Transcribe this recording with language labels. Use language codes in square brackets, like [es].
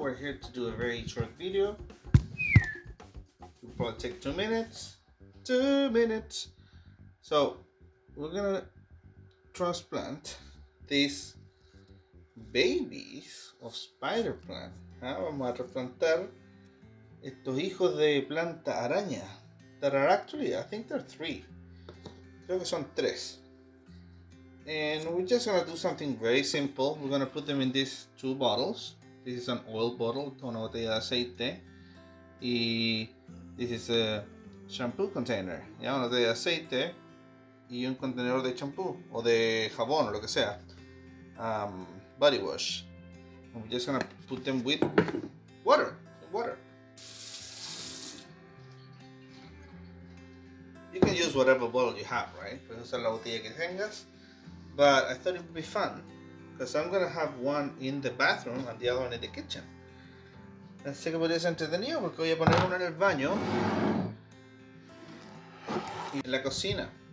[en] We're here to do a very short video. It'll probably take 2 minutes. 2 minutes. So, we're gonna transplant these babies of spider plant. ¿Ah? [es] Vamos a trasplantar estos hijos de planta araña. [en] That are actually, I think they're 3. [es] Creo que son 3. [en] And we're just gonna do something very simple. We're gonna put them in these 2 bottles. This is an oil bottle, [es] una botella de aceite. [en] Y this is a shampoo container. [es] Yeah, una botella de aceite y un contenedor de shampoo o de jabón o lo que sea. [en] Body wash. And we're just gonna put them with water. Water. You can use whatever bottle you have, right? [es] Puedes usar la botella que tengas. [en] But I thought it would be fun because I'm gonna have one in the bathroom and the other one in the kitchen. [es] Así que podría ser entretenido porque voy a poner uno en el baño y en la cocina.